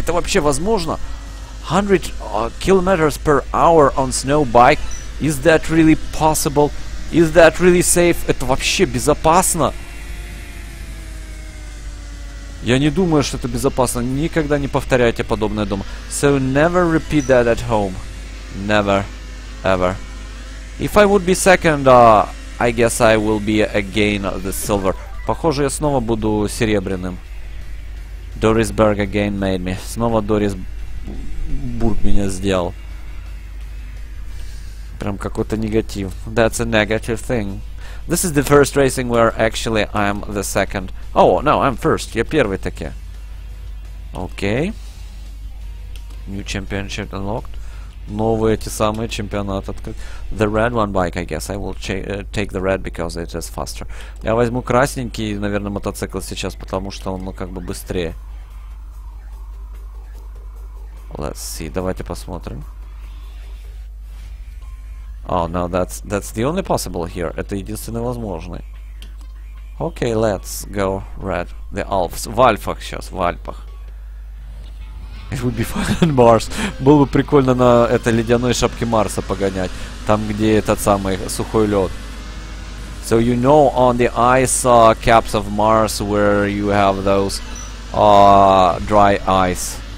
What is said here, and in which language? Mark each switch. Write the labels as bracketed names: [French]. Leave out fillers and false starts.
[Russian] Это вообще возможно? [English] 100 kilometers per hour on snow bike. Is that really possible? Is that really safe? [Russian] Это вообще безопасно? Я не думаю, что это безопасно. Никогда не повторяйте подобное дома. [English] So never repeat that at home. Never. Ever. If I would be second, I guess I will be again the silver. [Russian] Похоже, я снова буду серебряным. [English] Doris Berg again made me. [Russian] Снова Дорис Бург меня сделал. Прям какой-то негатив. [English] That's a negative thing. This is the first racing where actually I'm the second. Oh, no, I'm first. [Russian] Я первый таки. [English] Okay. New championship unlocked. [Russian] Новые эти самые чемпионаты открыты. [English] The red one bike, I guess. I will take the red because it is faster. [Russian] Я возьму красненький, наверное, мотоцикл сейчас, потому что он, ну, как бы быстрее. [English] Let's see. [Russian] Давайте посмотрим. [English] Oh, no, that's the only possible here. [Russian] Это единственный возможный. [English] Okay, let's go red. The Alphs. [Russian] В Альфах сейчас, в Альпах. [English] It would be fun on Mars. [Russian] Было бы прикольно на этой ледяной шапке Марса погонять. Там, где этот самый сухой лед. [English] So, you know, on the ice caps of Mars, where you have those dry ice.